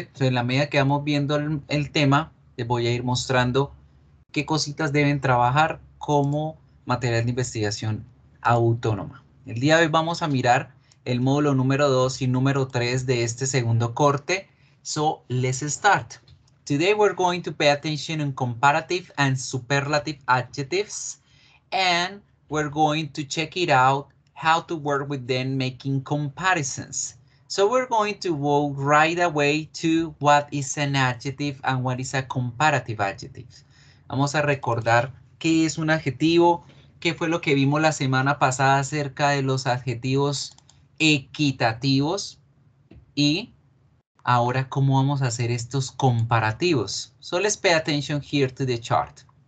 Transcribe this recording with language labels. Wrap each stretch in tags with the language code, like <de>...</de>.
<es>Entonces, en la medida que vamos viendo el tema, les voy a ir mostrando qué cositas deben trabajar como material de investigación autónoma. El día de hoy vamos a mirar el módulo número 2 y número 3 de este segundo corte.</es> <en>So, let's start. Today we're going to pay attention on comparative and superlative adjectives, and we're going to check it out how to work with them making comparisons. So we're going to walk right away to what is an adjective and what is a comparative adjective.</en> <es>Vamos a recordar qué es un adjetivo, qué fue lo que vimos la semana pasada acerca de los adjetivos equitativos y ahora, ¿cómo vamos a hacer estos comparativos?</es> <en>So, let's pay attention here to the chart.</en>